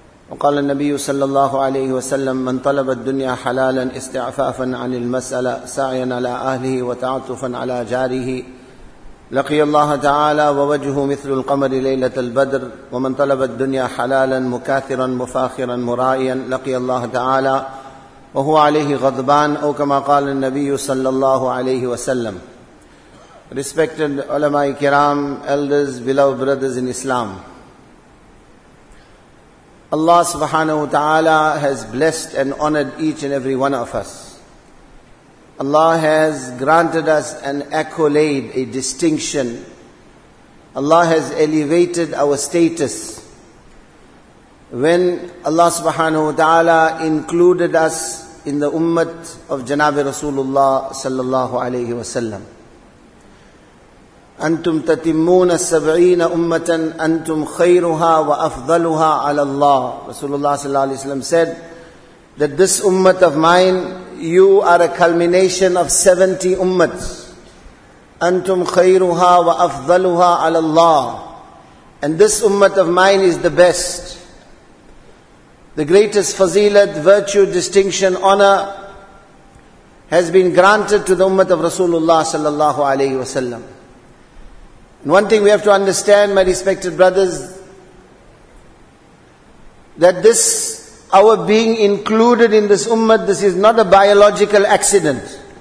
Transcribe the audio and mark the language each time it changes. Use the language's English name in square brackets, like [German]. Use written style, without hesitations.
[Arabic] وقال النبي صلى الله عليه وسلم: من طلب الدنيا حلالا استعفافا عن المسألة، سعيا على أهله وتعطفا على جاره، لقي الله تعالى ووجهه مثل القمر ليلة البدر. ومن طلب الدنيا حلالا مكاثرا مفاخرا مرائيا، لقي الله تعالى وهو عليه غضبان، أو كما قال النبي صلى الله عليه وسلم. [English] Respected [Arabic] علماء كرام, [English] elders, beloved brothers in Islam, Allah subhanahu wa ta'ala has blessed and honored each and every one of us. Allah has granted us an accolade, a distinction. Allah has elevated our status. When Allah subhanahu wa ta'ala included us in the ummah of Janabi Rasulullah sallallahu alayhi wa sallam. [Arabic] أنتم تتمون السبعين أمة أنتم خيرها وأفضلها على الله. [English] Rasulullah sallallahu alayhi wa sallam said that this ummah of mine, you are a culmination of 70 ummahs. [Arabic] أنتم خيرها وأفضلها على الله. [English] And this ummah of mine is the best. The greatest fazilat, virtue, distinction, honor has been granted to the ummah of Rasulullah sallallahu alayhi wa sallam. One thing we have to understand, my respected brothers, that this, our being included in this ummah, this is not a biological accident.